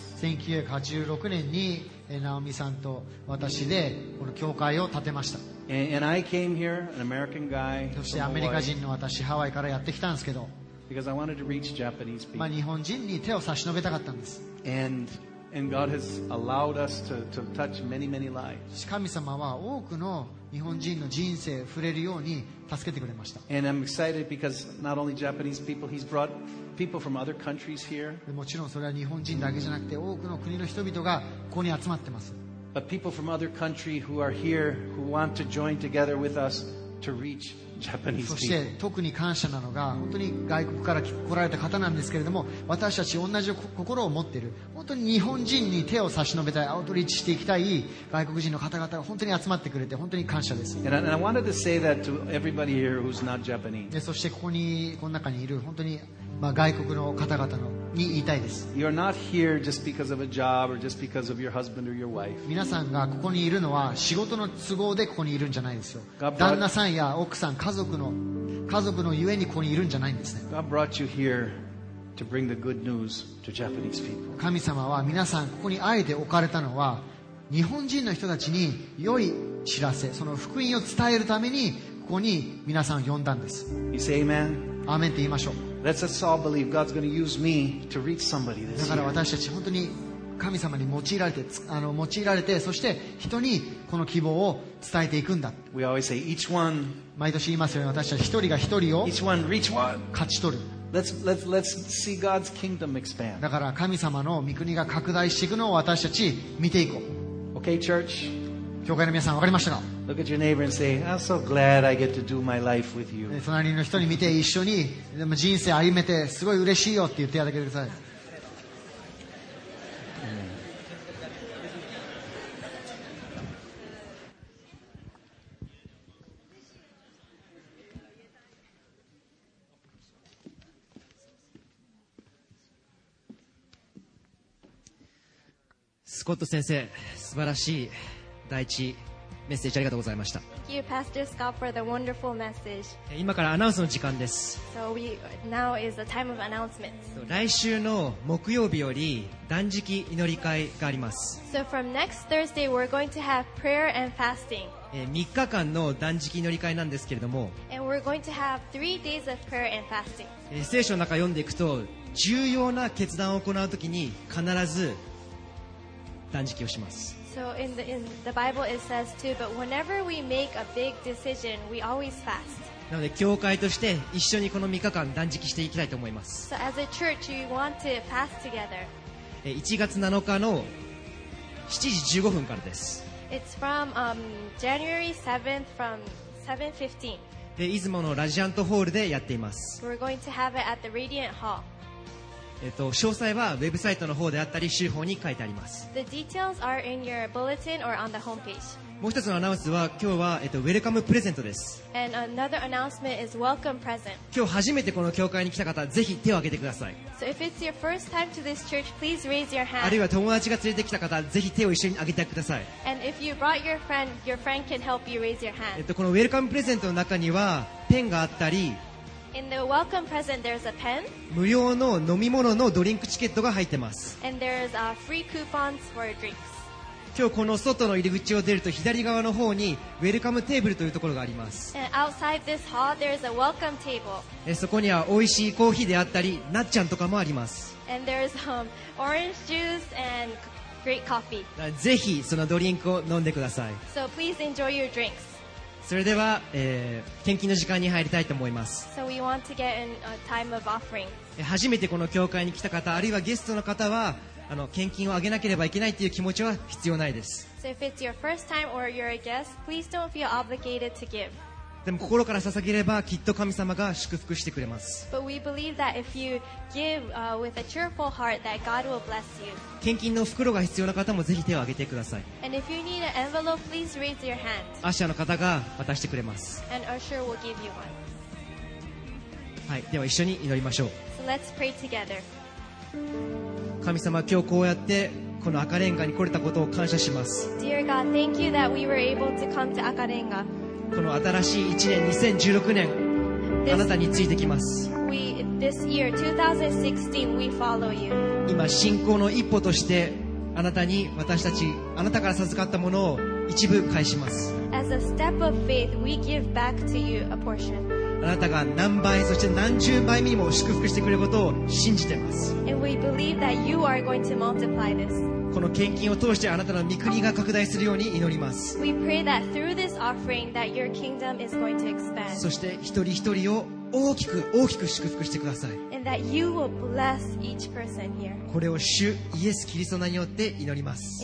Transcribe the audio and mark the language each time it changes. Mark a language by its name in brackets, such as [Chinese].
[Japanese] 1986年に Naomi さんと私でこの教会を建てました。 [English] And I came here, an American guy. [Japanese] そしてアメリカ人の私、ハワイからやってきたんですけど。 [English] Because I wanted to reach Japanese people. [Japanese] 日本人に手を差し伸べたかったんです。 [English] And God has allowed us to touch many, many lives. [Japanese] 神様は多くの日本人の人生を触れるように助けてくれました。 [English] And I'm excited because not only Japanese people, He's brought people from other countries here. [Japanese] もちろんそれは日本人だけじゃなくて多くの国の人々がここに集まってます。 [English] But people from other countries who are here who want to join together with us to reach Japanese people. [Japanese] そして特に感謝なのが本当に外国から来られた方なんですけれども、私たち同じ心を持っている。本当に日本人に手を差し伸べたい、アウトリーチしていきたい外国人の方々が本当に集まってくれて本当に感謝です。そしてここにこの中にいる本当に外国の方々のに言いたいです。 [English] You're not here just because of a job or just because of your husband or your wife. [Japanese] 皆さんがここにいるのは仕事の都合でここにいるんじゃないですよ。旦那さんや奥さん、家族のゆえにここにいるんじゃないんですね。 [English] God brought you here. To bring the good news to Japanese people. [Japanese] 神様は皆さんここにあえて置かれたのは日本人の人たちに良い知らせ、その福音を伝えるためにここに皆さんを呼んだんです。 [English] You say amen. [Japanese] アーメンって言いましょう。 [English] Let's us all believe God's going to use me to reach somebody this year. [Japanese] だから私たち本当に神様に用いられて、そして人にこの希望を伝えていくんだ。 [English] We always say each one. [Japanese] 毎年言いますよね、私たち一人が一人を [English] each one reach one. [Japanese] 勝ち取る。 [English] Let's see God's kingdom expand. [Japanese] だから神様の御国が拡大していくのを私たち見ていこう。 [English] Okay, church. [Japanese] 教会の皆さん、わかりましたか? [English] Look at your neighbor and say, I'm so glad I get to do my life with you. [Japanese] 隣の人に見て一緒に人生歩めてすごい嬉しいよって言ってやってください。スコット先生、素晴らしい第一メッセージありがとうございました。 [English] Thank you, Pastor Scott, for the wonderful message. [Japanese] 今からアナウンスの時間です。 [English] So now is the time of announcements. [Japanese] 来週の木曜日より断食祈り会があります。 [English] So from next Thursday, we're going to have prayer and fasting. [Japanese] 3日間の断食祈り会なんですけれども。 [English] And we're going to have 3 days of prayer and fasting. [Japanese] 聖書の中読んでいくと、重要な決断を行うときに必ず断食をします。 [English] So in the Bible it says too, but whenever we make a big decision, we always fast. [Japanese] なので教会として一緒にこの3日間断食していきたいと思います。 [English] So as a church, we want to fast together. [Japanese] 1月7日の7時15分からです。 [English] It's from January 7th from 7:15. [Japanese] で、出雲のラジアントホールでやっています。 [English] We're going to have it at the Radiant Hall. [Japanese] 詳細はウェブサイトの方であったり、週報に書いてあります。 [English] The details are in your bulletin or on the homepage. [Japanese] もう一つのアナウンスは今日は、ウェルカムプレゼントです。 [English] And another announcement is welcome present. [Japanese] 今日初めてこの教会に来た方ぜひ手を挙げてください。 [English] So if it's your first time to this church, please raise your hand. [Japanese] あるいは友達が連れてきた方ぜひ手を一緒に挙げてください。 [English] And if you brought your friend can help you raise your hand. [Japanese] このウェルカムプレゼントの中にはペンがあったり、 [English] In the welcome present, there's a pen. [Japanese] 無料の飲み物のドリンクチケットが入ってます。 [English] And there's free coupons for drinks. [Japanese] 今日この外の入り口を出ると左側の方にウェルカムテーブルというところがあります。 [English] Outside this hall, there is a welcome table. [Japanese] そこには美味しいコーヒーであったりなっちゃんとかもあります。 [English] And there's, orange juice and great coffee. [Japanese] ぜひそのドリンクを飲んでください。 [English] So please enjoy your drinks. [Japanese] それでは、献金の時間に入りたいと思います。 [English] So we want to get in a time of offering. [Japanese] 初めてこの教会に来た方あるいはゲストの方は献金をあげなければいけないという気持ちは必要ないです。 [English] So if it's your first time or you're a guest, please don't feel obligated to give. [Japanese] でも心から捧げればきっと神様が祝福してくれます。 [English] But we believe that if you give with a cheerful heart, that God will bless you. [Japanese] 献金の袋が必要な方もぜひ手を挙げてください。 [English] And if you need an envelope, please raise your hand. [Japanese] アッシャーの方が渡してくれます。 [English] And usher will give you one. [Japanese] はい、では一緒に祈りましょう。 [English] So let's pray together. [Japanese] 神様、今日こうやってこの赤レンガに来れたことを感謝します。 [English] Dear God, thank you that we were able to come to 赤レンガ。 [Japanese] この新しい1年2016年 [English] this, [Japanese] あなたについてきます。 [English] This year 2016 we follow you. [Japanese] 今信仰の一歩としてあなたに私たちあなたから授かったものを一部返します。 [English] As a step of faith we give back to you a portion. [Japanese] あなたが何倍そして何十倍にも祝福してくれることを信じています。 [English] And we believe that you are going to multiply this. [Japanese] この献金を通してあなたの御国が拡大するように祈ります。 [English] We pray that through this offering that your kingdom is going to expand. [Japanese] そして一人一人を大きく大きく祝福してください。 [English] And that you will bless each person here. [Japanese] これを主イエスキリストの名によって祈ります。